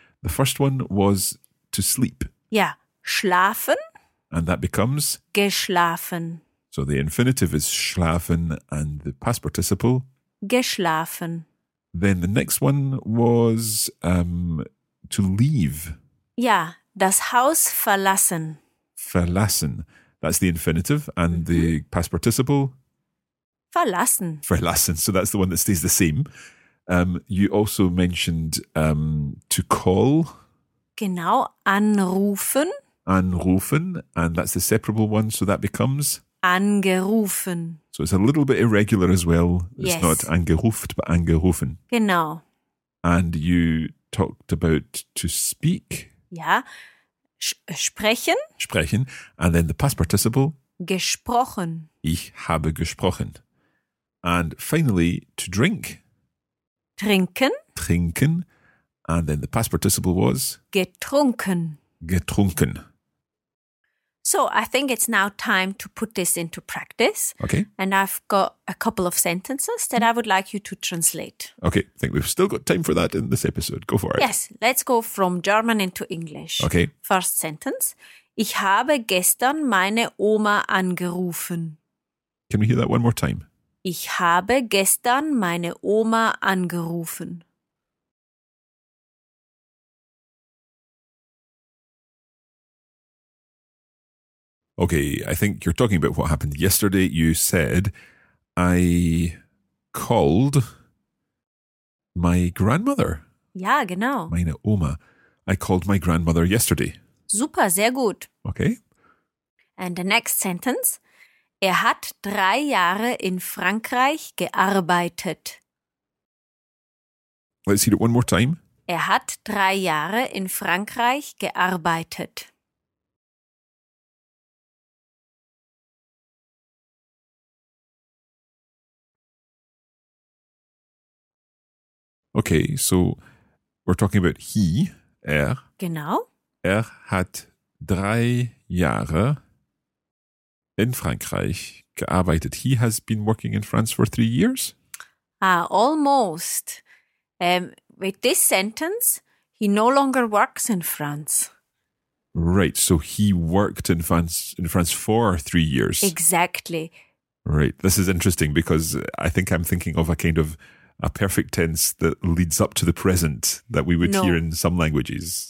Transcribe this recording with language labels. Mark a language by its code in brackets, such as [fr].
[en] The first one was to sleep. [de] Yeah, schlafen. [en] And that becomes? [de] Geschlafen. [en] So the infinitive is schlafen and the past participle? [de] Geschlafen. [en] Then the next one was to leave. [de] Yeah, das Haus verlassen. Verlassen. [en] That's the infinitive and the past participle? [de] Verlassen. Verlassen. [en] So that's the one that stays the same. You also mentioned to call. [de] Genau, anrufen. [en] Anrufen, and that's the separable one, so that becomes? [de] Angerufen. [en] So it's a little bit irregular as well. It's yes. not angeruft, but angerufen. [de] Genau. [en] And you talked about to speak. [de] Ja, sprechen. [en] Sprechen, and then the past participle? [de] Gesprochen. Ich habe gesprochen. [en] And finally, to drink. [de] Trinken. [en] Trinken. And then the past participle was? [de] Getrunken. Getrunken. [en] So I think it's now time to put this into practice. Okay. And I've got a couple of sentences that I would like you to translate. Okay. I think we've still got time for that in this episode. Go for it. Yes. Let's go from German into English. Okay. First sentence. [de] Ich habe gestern meine Oma angerufen. [en] Can we hear that one more time? [de] Ich habe gestern meine Oma angerufen. [en] Okay, I think you're talking about what happened yesterday. You said, I called my grandmother. [de] Ja, genau. Meine Oma. [en] I called my grandmother yesterday. [de] Super, sehr gut. [en] Okay. And the next sentence. [de] Er hat 3 Jahre in Frankreich gearbeitet. [en] Let's hear it one more time. [de] Er hat 3 Jahre in Frankreich gearbeitet. [en] Okay, so we're talking about he, er. [de] Genau. Er hat 3 Jahre in Frankreich gearbeitet. [en] He has been working in France for 3 years? Almost. With this sentence, he no longer works in France. Right, so he worked in France for 3 years. Exactly. Right, this is interesting because I think I'm thinking of a kind of a perfect tense that leads up to the present that we would hear in some languages.